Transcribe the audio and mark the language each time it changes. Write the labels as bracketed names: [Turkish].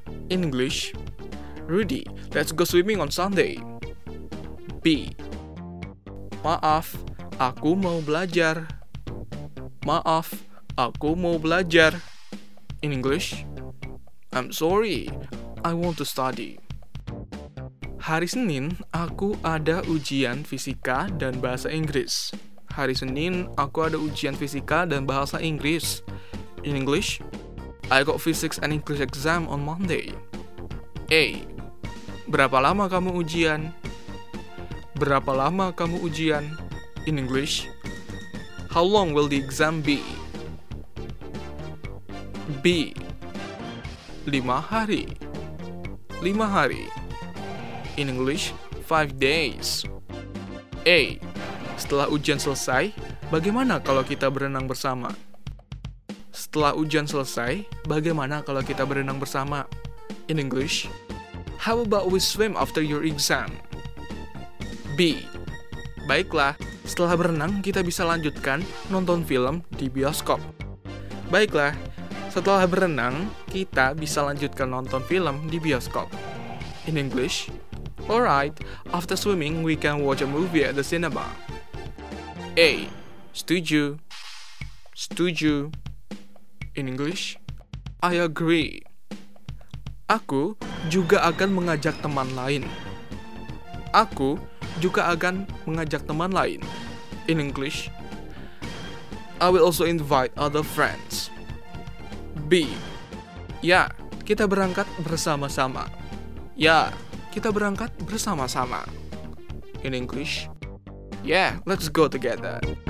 [English] In English, Rudy, let's go swimming on Sunday. [Indonesian] B. Maaf, aku mau belajar. Maaf, aku mau belajar. [English] In English, I'm sorry, I want to study. [Indonesian] Hari Senin, aku ada ujian fisika dan bahasa Inggris. Hari Senin, aku ada ujian fisika dan bahasa Inggris. [English] In English, I got physics and English exam on Monday. A. [Indonesian] Berapa lama kamu ujian? Berapa lama kamu ujian? [English] In English, how long will the exam be? [Indonesian] B. 5 hari. 5 hari. [English] In English, 5 days. A. [Indonesian] Setelah ujian selesai, bagaimana kalau kita berenang bersama? Setelah ujian selesai, bagaimana kalau kita berenang bersama? [English] In English, how about we swim after your exam? B. [Indonesian] Baiklah, setelah berenang kita bisa lanjutkan nonton film di bioskop. Baiklah, setelah berenang kita bisa lanjutkan nonton film di bioskop. [English] In English, alright, after swimming we can watch a movie at the cinema. [Indonesian] A. Setuju. Setuju. [English] In English, I agree. [Indonesian] Aku juga akan mengajak teman lain. Aku juga akan mengajak teman lain. [English] In English, I will also invite other friends. B. [Indonesian] Ya, kita berangkat bersama-sama. Ya, kita berangkat bersama-sama. [English] In English, yeah, let's go together.